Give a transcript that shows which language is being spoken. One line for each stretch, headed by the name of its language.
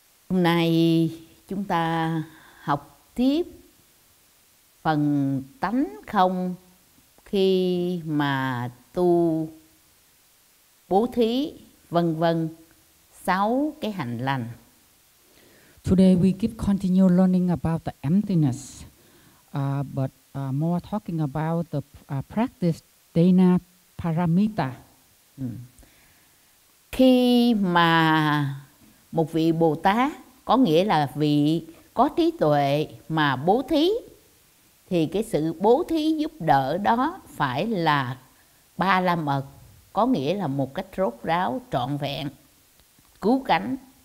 Vietnamese: Hôm nay chúng ta học tiếp phần tánh không khi mà tu bố thí vân vân, sáu cái hạnh lành.
English: Today we keep continue learning about the emptiness, but more talking about the practice Dana Paramita.
Vietnamese: Khi mà một vị Bồ Tát, có nghĩa là vị có trí tuệ mà bố thí, thì cái sự bố thí giúp đỡ đó phải là ba la mật, có nghĩa là một cách rốt ráo, trọn vẹn, cứu cánh.